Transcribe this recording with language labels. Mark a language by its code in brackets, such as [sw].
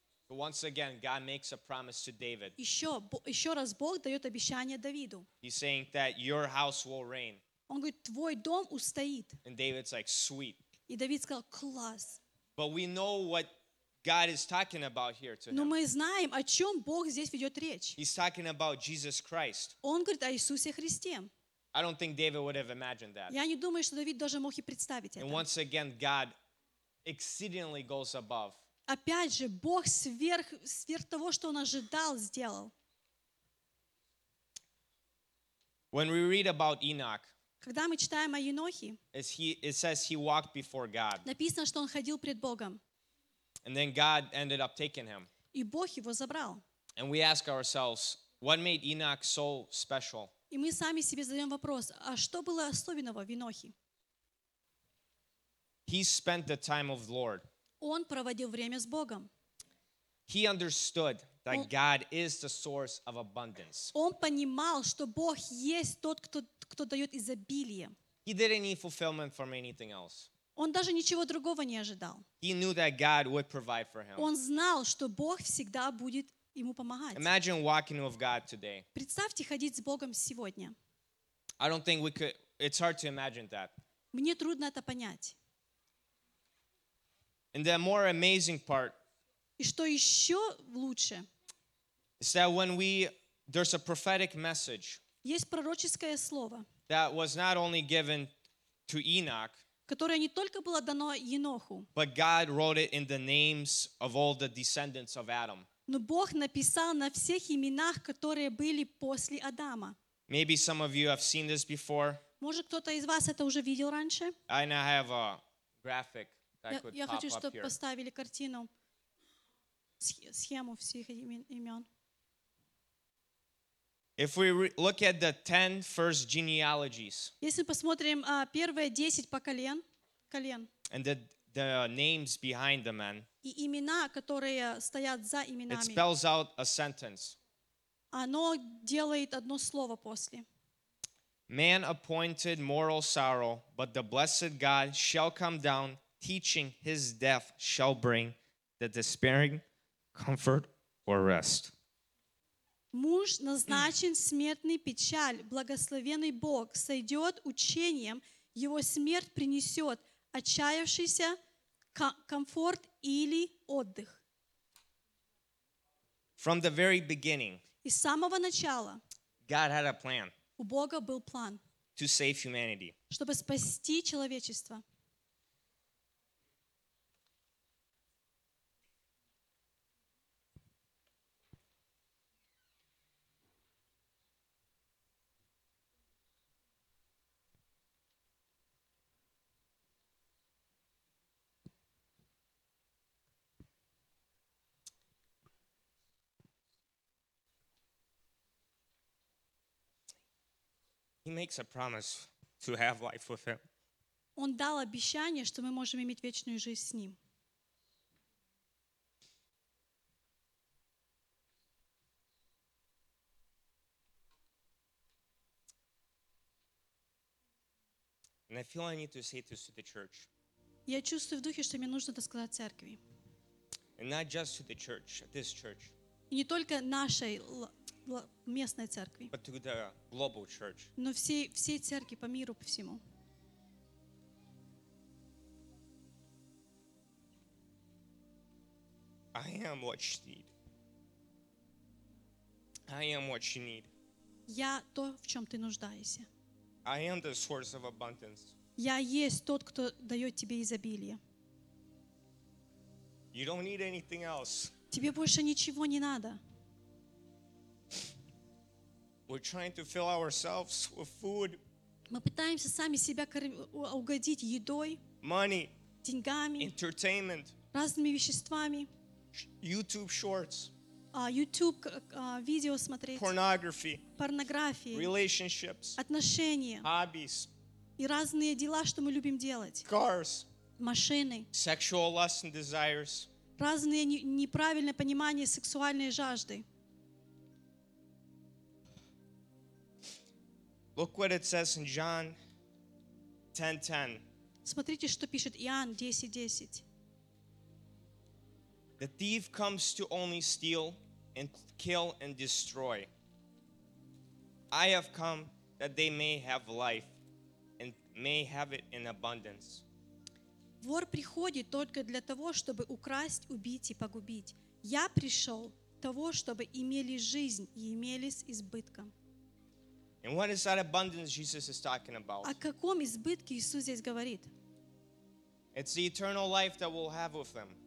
[en] Once again, God makes a promise to David. [ru] Еще раз Бог дает обещание Давиду. [en] He's saying that your house will reign. [ru] Он говорит, твой дом устоит. [en] And David's like, sweet. [ru] И Давид сказал, класс. [en] But we know what God is talking about here to him. [ru] Но мы знаем, о чем Бог здесь ведет речь. [en] He's talking about Jesus Christ. [ru] Он говорит о Иисусе Христе. [en] I don't think David would have imagined that. [ru] Я не думаю, что Давид даже мог и представить это. [en] And once again, God exceedingly goes above. [ru] Опять же, Бог сверх того, что он ожидал, сделал. [en] When we read about Enoch, [ru] когда мы читаем о Енохе, [en] it says he walked before God. [ru] Написано, что он ходил пред Богом. [en] And then God ended up taking him. [ru] И Бог его забрал. [en] And we ask ourselves, what made Enoch so special? [ru] И мы сами себе задаем вопрос, а что было особенного в Енохе? [en] He spent the time of the Lord. [ru] Он проводил время с Богом. [en] He understood that God is the source of abundance. [ru] Он понимал, что Бог есть тот, кто дает изобилие. [en] He didn't need fulfillment from anything else. [ru] Он даже ничего другого не ожидал. [en] He knew that God would provide for him. [ru] Он знал, что Бог всегда будет ему помогать. [en] Imagine walking with God today. [ru] Представьте ходить с Богом сегодня. [en] I don't think we could. It's hard to imagine that. [ru] Мне трудно это понять. [en] And the more amazing part. [ru] И что еще лучше? [en] Is that when we there's a prophetic message. [ru] Есть пророческое слово. [en] That was not only given to Enoch. [ru] Которое не только было дано Еноху. [en] But God wrote it in the names of all the descendants of Adam. [ru] Но Бог написал на всех именах, которые были после Адама. [en] Maybe some of you have seen this before. [ru] Может, кто-то из вас это уже видел раньше? [en] I now have a graphic that could pop up here. [ru] Я хочу, чтобы поставили картину, схему всех имен. [en] If we look at the 10 first genealogies. [ru] Если посмотрим первые 10 колен. [en] And the names behind the men. [ru] И имена, которые стоят за именами. [en] It spells out a sentence. [ru] Оно делает одно слово после. [en] Man appointed mortal sorrow, but the blessed God shall come down, teaching his death shall bring the despairing comfort or rest. [ru] Муж назначен смертный печаль, благословенный Бог сойдет учением, его смерть принесет отчаявшийся комфорт или отдых. [en] From the very beginning, [ru] из самого начала, [en] God had a plan, [ru] у Бога был план, [en] to save humanity, [ru] чтобы спасти человечество. [en] He makes a promise to have life with him. [ru] Он дал обещание, что мы можем иметь вечную жизнь с ним. [en] And I feel I need to say this to the church. [ru] Я чувствую в духе, что мне нужно это сказать церкви. [en] And not just to the church, this church. [ru] И не только нашей местной церкви, [en] but to the global church. [ru] Но всей церкви по миру, по всему. [en] I am what you need. I am what you need. [ru] Я то, в чем ты нуждаешься. [en] I am the source of abundance. [ru] Я есть тот, кто дает тебе изобилие. [en] You don't need anything else. [ru] Тебе больше ничего не надо. [en] We're trying to fill ourselves with food. [ru] Мы пытаемся сами себя угодить едой, [en] money, [ru] деньгами, [en] entertainment, [ru] разными веществами, [en] YouTube shorts, [ru] YouTube видео смотреть, [en] pornography, [ru] порнографии, [en] relationships, [ru] отношения, [en] hobbies, [ru] и разные дела, что мы любим делать, [en] cars, [ru] машины, [en] sexual lusts and desires, [ru] разные неправильное понимание сексуальной жажды. [en] Look what it says in John 10:10. [ru] Смотрите, что пишет Иоанн 10:10. [en] The thief comes to only steal and kill and destroy. I have come that they may have life and may have it in abundance. [ru] Вор приходит только для того, чтобы украсть, убить и погубить. Я пришел того, чтобы имели жизнь и имели с избытком. [en] And what is that abundance Jesus is talking about? [ru] О каком избытке Иисус здесь говорит? [en] It's the eternal life that we'll have with Him.